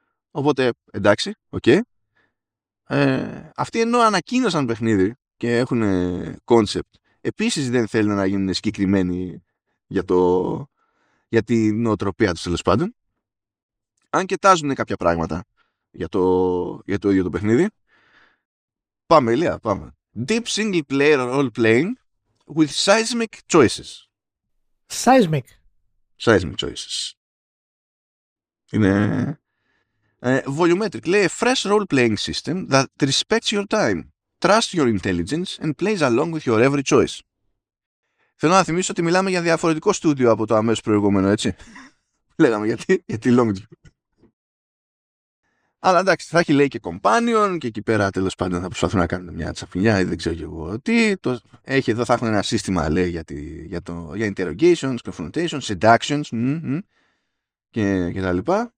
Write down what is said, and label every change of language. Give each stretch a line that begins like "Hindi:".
Greek: Οπότε, εντάξει, οκ. Okay. Αυτοί ενώ ανακοίνωσαν παιχνίδι και έχουν concept, επίσης δεν θέλουν να γίνουν συγκεκριμένοι για την νοοτροπία τους, τέλος πάντων. Αν και τάζουν κάποια πράγματα για το ίδιο το παιχνίδι. Πάμε, Ηλία, πάμε.
English: Deep single player role playing with seismic choices. Seismic. Seismic choices.
Greek: Είναι...
English: volumetric.
Greek: Λέει,
English: a fresh role-playing system that respects your time, trusts your intelligence and plays along with your every choice.
Greek: Θέλω να θυμίσω ότι μιλάμε για διαφορετικό στούντιο από το αμέσως προηγούμενο, έτσι. Λέγαμε γιατί Longview. Αλλά εντάξει, θα έχει, λέει, και companion και εκεί πέρα, τέλος πάντων, θα προσπαθούν να κάνουν μια τσαφινιά ή δεν ξέρω και εγώ τι. Έχει εδώ, θα έχουν ένα σύστημα, λέει, για interrogations, confrontations, seductions, και τα λοιπά.